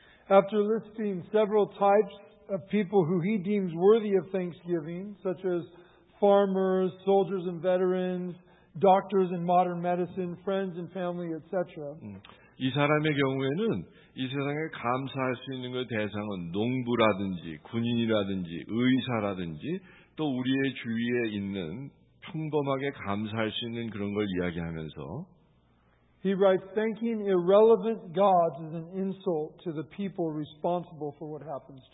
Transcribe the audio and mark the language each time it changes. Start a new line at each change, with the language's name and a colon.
English: After listing several types of people who he deems worthy of thanksgiving, such as farmers, soldiers, and veterans, doctors in modern medicine, friends and family, etc.
Korean: 이 사람의 경우에는 이 세상에 감사할 수 있는 그 대상은 농부라든지 군인이라든지 의사라든지 또 우리의 주위에 있는 평범하게 감사할 수 있는 그런 걸 이야기하면서
English: He writes, thanking irrelevant gods is an insult to the people responsible for what happens to them.